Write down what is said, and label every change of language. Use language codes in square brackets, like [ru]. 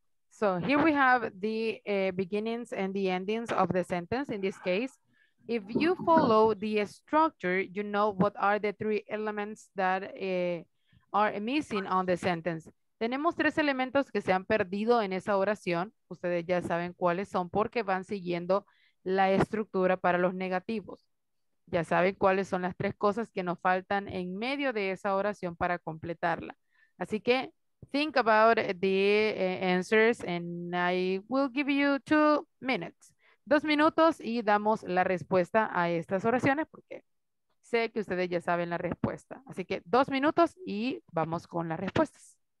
[en] So here we have the beginnings and the endings of the sentence. In this case, if you follow the structure, you know what are the three elements that are missing on the sentence. [es] Tenemos tres elementos que se han perdido en esa oración. Ustedes ya saben cuáles son porque van siguiendo la estructura para los negativos. Ya saben cuáles son las tres cosas que nos faltan en medio de esa oración para completarla. Así que [en] think about the answers and I will give you 2 minutes. [es] 2 minutos y damos la respuesta a estas oraciones porque sé que ustedes ya saben la respuesta. Así que 2 minutos y vamos con las respuestas.